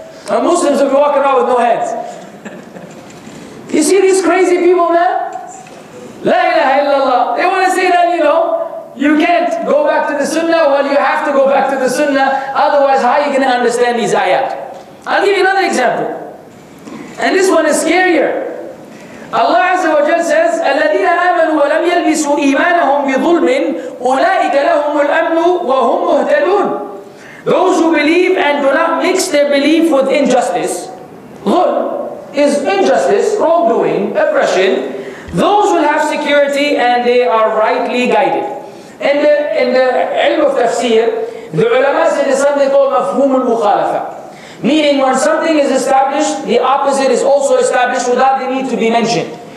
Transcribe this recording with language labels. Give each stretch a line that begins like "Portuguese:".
English: And Muslims will be walking around with no hands. You see these crazy people, man? La ilaha illallah. They want to say that, you know, you can't go back to the sunnah. Well, you have to go back to the sunnah. Otherwise, how are you going to understand these ayat? I'll give you another example. And this one is scarier. Allah Azza wa Jal says,
Arabic: الَّذِينَ آمَنُوا وَلَمْ يَلْبِسُوا إِيمَانَهُمْ بِظُلْمٍ أُولَٰئِكَ لَهُمُ الْأَمْنُ وَهُمْ مُهْتَدُونَ.
English: Those who believe and do not mix their belief with injustice. Zulm is injustice, wrongdoing, oppression. Those will have security and they are rightly guided. In the ilm of tafsir, the ulama said there's something called mafhum al-mukhalafa, meaning when something is established, the opposite is also established without the need to be mentioned.